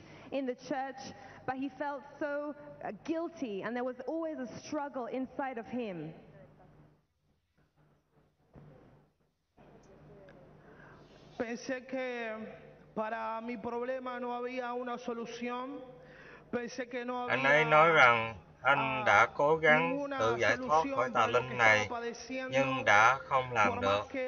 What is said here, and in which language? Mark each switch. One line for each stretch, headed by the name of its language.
English: In the church, but he felt so guilty and there was always a struggle inside of him.
Spanish: Pensé que para mi problema no había una solución. Pensé que no había.
Vietnamese: Anh ấy nói rằng anh đã cố gắng tự giải thoát khỏi tà linh này, nhưng đã không làm được.